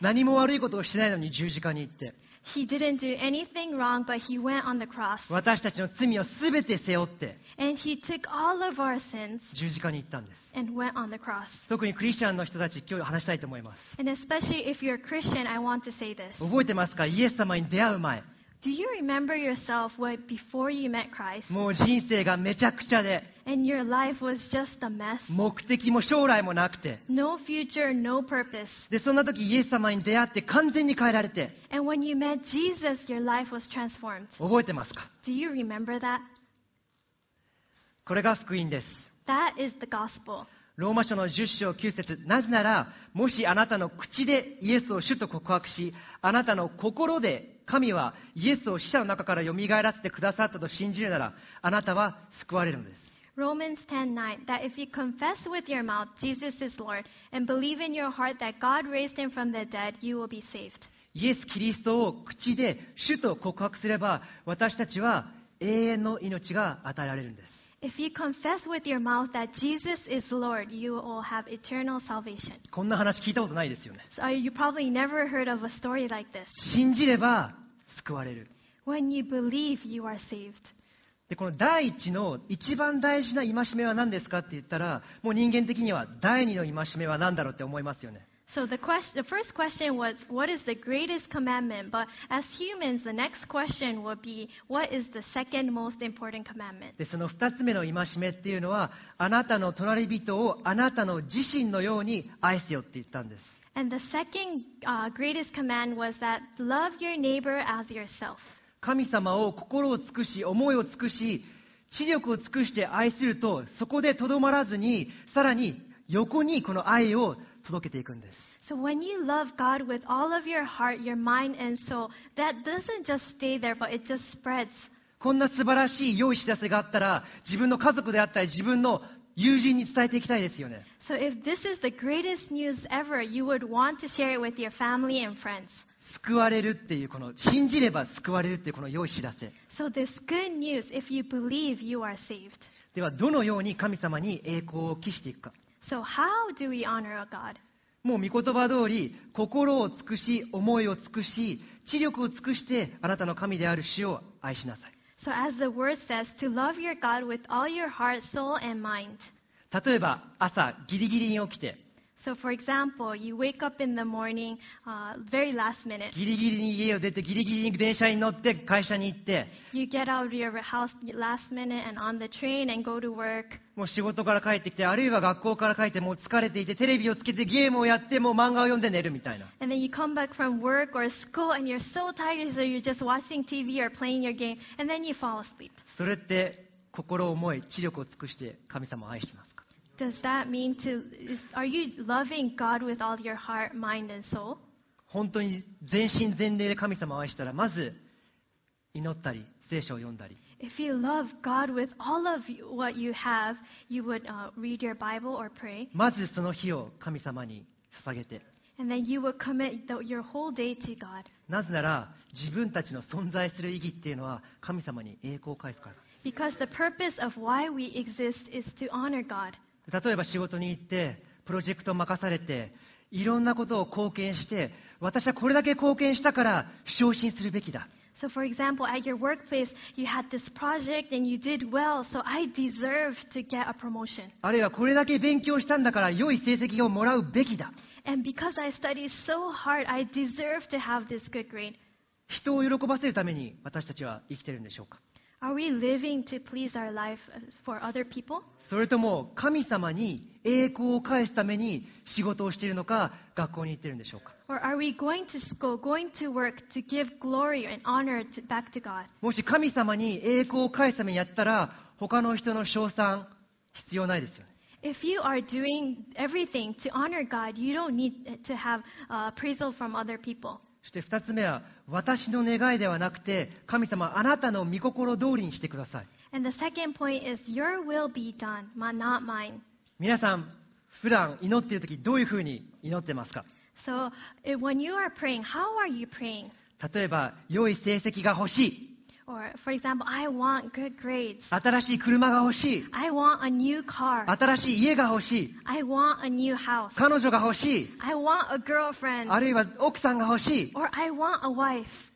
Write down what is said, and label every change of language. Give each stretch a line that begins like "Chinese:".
Japanese: 何も悪いことをしてないのに十字架に行って。
English: He didn't do anything wrong, but he went on the cross.
Japanese: 私たちの罪をすべて背負って、
English: And he took all of our sins,
Japanese: 十字架に行ったんです。
English: And went on the cross.
Japanese: 特にクリスチャンの人たち、今日話したいと思います。
English: And especially if you're a Christian, I want to say this.
Japanese: 覚えてますか？イエス様に出会う前。
English: Do you remember yourself before you met Christ?
Japanese: もう人生がめちゃくちゃで、
English: And your life was just a mess.
Japanese: 目的も将来もなくて、
English: No future, no purpose.
Japanese: で、そんな時イエス様に出会って完全に変えられて、
English: And when you met Jesus, your life was transformed.
Japanese: 覚えてますか？
English: Do you remember that?
Japanese: これが福音です。
English: That is the gospel.
Japanese: ローマ書の10章9節、なぜなら、もしあなたの口でイエスを主と告白し、あなたの心で神はイエスを死者の中から蘇らせてくださったと信じるなら、あなたは救われるのです。
English: Romans 10:9 that if you confess with your mouth Jesus is Lord and believe in your heart that God raised him from the dead, you will be saved.
Japanese: イエス・キリストを口で主と告白すれば、私たちは永遠の命が与えられるんです。
English: If you confess with your mouth that Jesus is Lord, you will have eternal salvation.
Japanese: こんな話聞いたことないですよね。
English: So you probably never heard of a story like this.
Japanese: 信じれば救われる。
English: When you believe, you are saved.
Japanese: で、この第一の一番大事な戒めは何ですかって言ったら、もう人間的には第二の戒めは何だろうって思いますよね。
English: So the first question was, what is the greatest commandment? But as humans, the next question would be, what is the second most important commandment?
Japanese: で、その二つ目の戒めっていうのは、あなたの隣人をあなたの自身のように愛せよって言ったんです。
English: And the second greatest command was that, love your neighbor as yourself.
Japanese: 神様を心を尽くし、思いを尽くし、知力を尽くして愛すると、そこでとどまらずに、さらに横にこの愛を届けていくんです。
English: So when you love God with all of your heart, your mind and soul, that doesn't just stay there, but it just spreads.
Japanese: こんな素晴らしい良い知らせがあったら、自分の家族であったり、自分の友人に伝えていきたいですよね。
English: So if this is the greatest news ever, you would want to share it with your family and friends.
Japanese: 救われるっていうこの、信じれば救われるっていうこの良い知らせ。
English: So this good news, if you believe, you are saved.
Japanese: ではどのように神様に栄光を期していくか。
English: So how do we honor a God?
Japanese: もう御言葉通り、心を尽くし、思いを尽くし、知力を尽くして、あなたの神である主を愛しなさい。
English: So as the word says, to love your God with all your heart, soul, and mind.
Japanese: 例えば朝ギリギリに起きて、
English: So for example, you wake up in the morning, very last minute.
Japanese: ギリギリに家を出て、ギリギリに電車に乗って会社に行って、
English: You get out of your house last minute and on the train and go to work.
Japanese: もう仕事から帰ってきて、あるいは学校から帰って、もう疲れていて、テレビをつけてゲームをやって、もう漫画を読んで寝るみたいな。
English: And then you come back from work or school and you're so tired, so you're just watching TV or playing your game, and then you fall asleep.
Japanese: それって心を思い、知力を尽くして神様を愛してます。
English: Does that mean to, are you loving God with all your heart, mind, and soul?
Japanese: 本当に全身全霊で神様を愛したら、まず祈ったり、聖書を読んだり。
English: If you love God with all of what you have, you would read your Bible or pray.
Japanese: まずその日を神様に捧げて。
English: And then you would commit your whole day to God.
Japanese: なぜなら、自分たちの存在する意義っていうのは神様に栄光を返すから。
English: Because the purpose of why we exist is to honor God.
Japanese: 例えば仕事に行ってプロジェクトを任されて、いろんなことを貢献して、私はこれだけ貢献したから昇進するべきだ。
English: So for example, at your workplace, you had this project and you did well, so I deserve to get a promotion.
Japanese: あるいはこれだけ勉強したんだから良い成績をもらうべきだ。
English: And because I studied so hard, I deserve to have this good grade.
Japanese: 人を喜ばせるために私たちは生きてるんでしょうか。
English: Are we living to please our life for other people?
Japanese: それとも神様に栄光を返すために仕事をしているのか、学校に行っているんでしょうか。
English: Or are we going to school, going to work to give glory and honor back to God?
Japanese: もし神様に栄光を返すためにやったら、他の人の称賛必要ないですよね。
English: If you are doing everything to honor God, you don't need to have praise from other people.
Japanese: そして2つ目は、私の願いではなくて、神様、あなたの御心通りにしてください。
English: And the second point is, your will be done, not mine.
Japanese: 皆さん、普段祈っているとき、どういうふうに祈ってますか？
English: So, when you are praying, how are you praying?
Japanese: 例えば、良い成績が欲しい。
English: Or, for example, I want good grades.
Japanese: 新しい車が欲しい。
English: I want a new car.
Japanese: 新しい家が欲しい。
English: I want a new house.
Japanese: 彼女が欲しい。
English: I want a girlfriend.
Japanese: あるいは奥さんが欲しい。
English: Or, I want a wife.